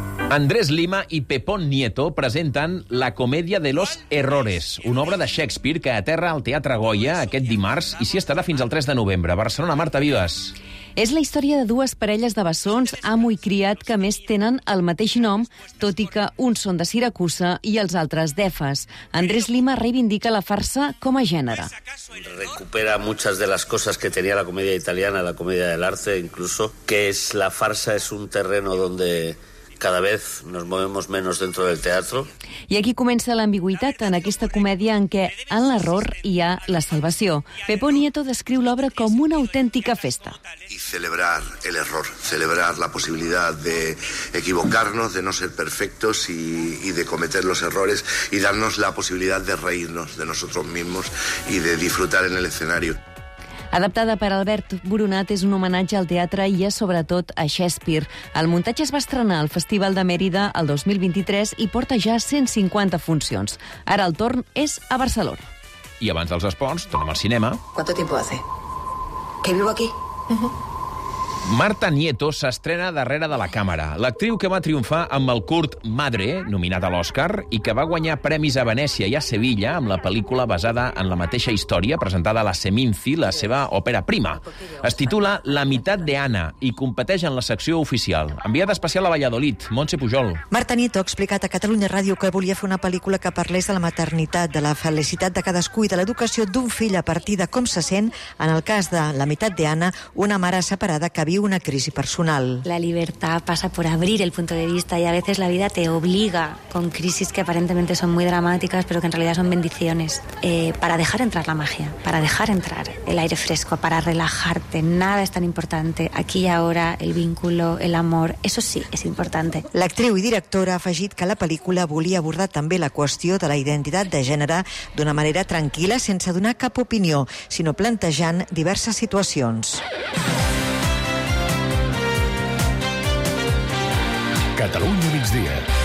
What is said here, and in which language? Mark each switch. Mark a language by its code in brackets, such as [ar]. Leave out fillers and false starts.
[ca] Andrés Lima i Pepón Nieto presenten La comèdia de los errores, una obra de Shakespeare que aterra al Teatre Goya aquest dimarts i s'hi estarà fins al 3 de novembre. Barcelona, Marta Vives. És la història de dues parelles de bessons, amo i criat, que a més tenen el mateix nom, tot i que uns són de Siracusa i els altres d'Efes. Andrés Lima reivindica la farsa com a gènere. [es] Recupera muchas de las cosas que tenía la comedia italiana, la comedia del arte, incluso, que es la farsa es un terreno donde cada vez nos movemos menos dentro del teatro. [ca] I aquí comença l'ambigüitat en aquesta comèdia en què en l'error hi ha la salvació. Pepo Nieto descriu l'obra com una autèntica festa. [es] Y celebrar el error, celebrar la posibilidad de equivocarnos, de no ser perfectos y de cometer los errores y darnos la posibilidad de reírnos de nosotros mismos y de disfrutar en el escenario. [ca] Adaptada per Albert Boronat, és un homenatge al teatre i és sobretot a Shakespeare. El muntatge es va estrenar al Festival de Mérida el 2023 i porta ja 150 funcions. Ara el torn és a Barcelona. I abans dels esports, tornem al cinema. [es] ¿Cuánto tiempo hace? ¿Que vivo aquí? [ca] Marta Nieto s'estrena darrere de la càmera. L'actriu que va triomfar amb el curt Madre, nominat a l'Oscar, i que va guanyar premis a Venècia i a Sevilla amb la pel·lícula basada en la mateixa història presentada a la Seminci, la seva òpera prima. Es titula La mitat de Anna i competeix en la secció oficial. Enviada especial a Valladolid, Montse Pujol. Marta Nieto ha explicat a Catalunya Ràdio que volia fer una pel·lícula que parlés de la maternitat, de la felicitat de cadascú i de l'educació d'un fill a partir de com se sent, en el cas de La mitat de Anna, una mare separada que viu una crisi personal. [es] La libertad pasa por abrir el punto de vista y a veces la vida te obliga con crisis que aparentemente son muy dramáticas pero que en realidad son bendiciones para dejar entrar la magia, para dejar entrar el aire fresco, para relajarte. Nada es tan importante aquí y ahora, el vínculo, el amor, eso sí es importante. [ca] L'actriu i directora ha afegit que la pel·lícula volia abordar també la qüestió de la identitat de gènere d'una manera tranquil·la sense donar cap opinió, sinó plantejant diverses situacions. Catalunya migdia.